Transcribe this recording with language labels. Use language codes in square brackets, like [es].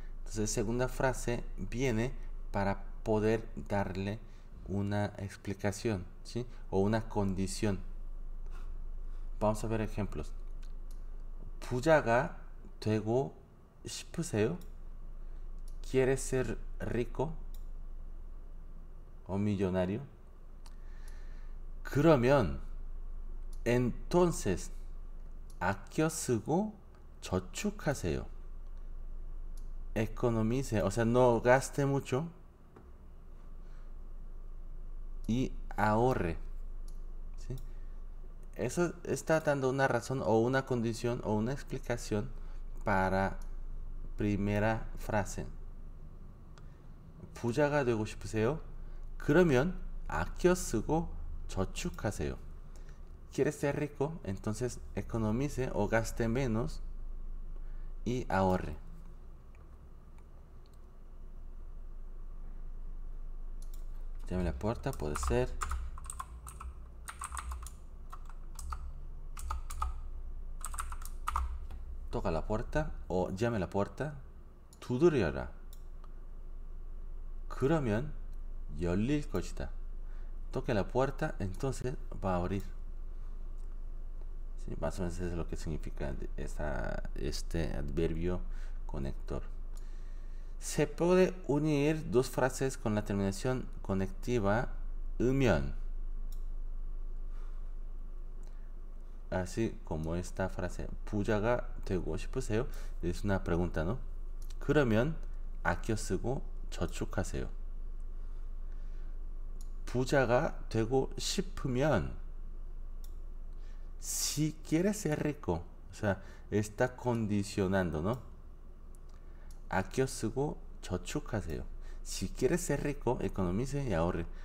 [es] Entonces, segunda frase viene para poder darle una explicación, ¿sí? O una condición. Vamos a ver ejemplos. [ko] 부자가 되고 싶으세요? [es] ¿Quieres ser rico o millonario? [ko] 그러면, entonces, 아껴 쓰고 저축하세요. [es] Economice, o sea, no gaste mucho y ahorre. Eso está dando una razón o una condición o una explicación para primera frase. [ko] 부자가 되고 싶으세요? 그러면 아껴 쓰고 저축하세요. [es] ¿Quieres ser rico? Entonces economice o gaste menos y ahorre. Llame a la puerta, puede ser. Toca la puerta o llame a la puerta. [ko] 두드려라. 그러면 열릴 것이다. [es] Toque la puerta, entonces va a abrir. Sí, más o menos es lo que significa este adverbio conector. Se puede unir dos frases con la terminación conectiva "-ımyon". Así como esta frase, [ko] 부자가 되고 싶으세요? [es] Es una pregunta, ¿no? [ko] 그러면 아껴 쓰고 저축하세요. 부자가 되고 싶으면, [es] si quieres ser rico, o sea, está condicionando, ¿no? Aquí os digo, chochucaseo. Si quieres ser rico, economice y ahorre.